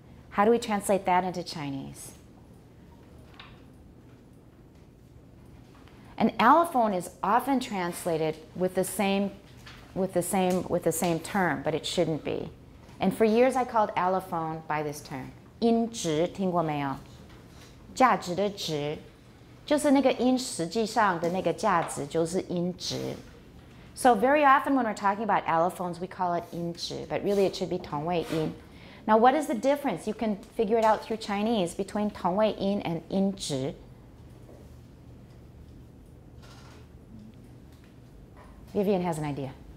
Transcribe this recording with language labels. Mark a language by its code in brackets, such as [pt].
[en] How do we translate that into Chinese? An allophone is often translated with the same term, but it shouldn't be. And for years I called allophone by this term. [zh] 音值听过没有？价值的值，就是那个音实际上的那个价值就是音值。 [en] So very often when we're talking about allophones, we call it 音值, but really it should be 同位音。 Now, what is the difference? You can figure it out through Chinese between 同位音 and 音值. Vivian has an idea.